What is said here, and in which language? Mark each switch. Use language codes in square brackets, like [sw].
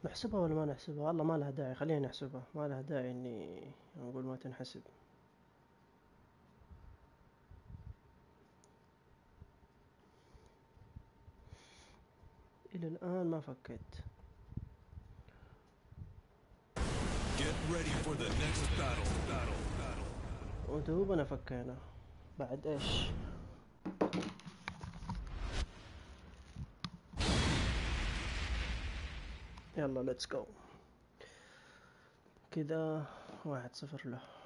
[ar] نحسبها ولا ما نحسبها؟ الله ما لها داعي خلينا نحسبها ما لها داعي إني أقول ما تنحسب إلى الآن ما فكيت. [en] Get ready for the next battle. [ar] ودوبنا فكينا. بعد إيش؟ يلا [en] let's go. [ar] كده 1-0 له.